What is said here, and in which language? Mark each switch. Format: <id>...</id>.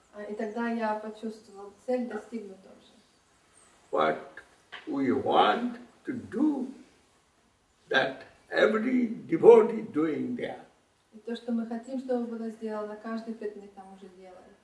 <ru>И тогда я почувствовал, цель достигнута уже.</ru> <en>What we want to do, that every devotee doing there.</en> <ru>И то, что мы хотим, чтобы было сделано, каждый преданный там уже делает.</ru>